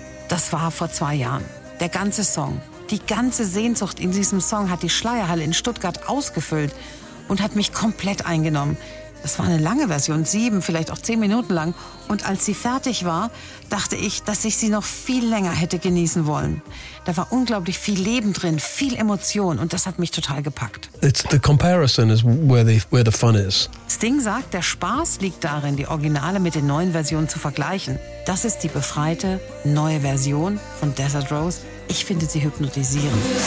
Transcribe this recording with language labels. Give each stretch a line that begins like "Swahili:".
German: Das war vor 2 Jahren. Der ganze Song, die ganze Sehnsucht in diesem Song hat die Schleierhalle in Stuttgart ausgefüllt und hat mich komplett eingenommen. Das war eine lange Version, 7, vielleicht auch 10 Minuten lang. Und als sie fertig war, dachte ich, dass ich sie noch viel länger hätte genießen wollen. Da war unglaublich viel Leben drin, viel Emotion und das hat mich total gepackt.
English: It's the comparison is where the fun is.
German: Sting sagt, der Spaß liegt darin, die Originale mit den neuen Versionen zu vergleichen. Das ist die befreite, neue Version von Desert Rose. Ich finde sie hypnotisierend.